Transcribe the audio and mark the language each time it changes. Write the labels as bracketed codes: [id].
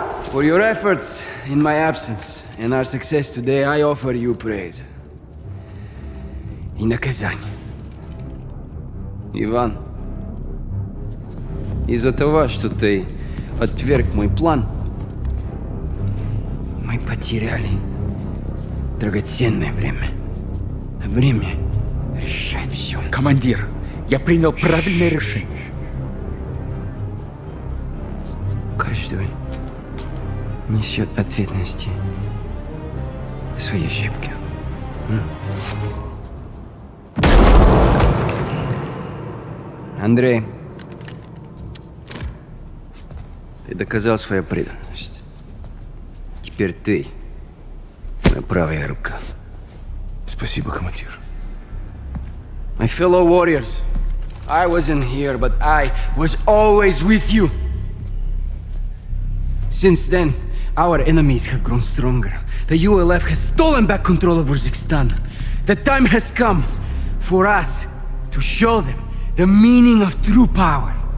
[en] For your efforts in my absence and our success today, I offer you praise. [ru] И наказание. Иван, из-за того, что ты отверг мой план, мы потеряли драгоценное время. Время решает все. Командир, я принял правильное решение. Каждый несет ответственность свои щипки. Андрей, ты доказал свою преданность. Теперь ты моя правая рука. Спасибо, командир. [en] My fellow warriors, I wasn't here, but I was always with you. Since then, our enemies have grown stronger. The ULF has stolen back control of Uzbekistan. The time has come for us to show them the meaning of true power.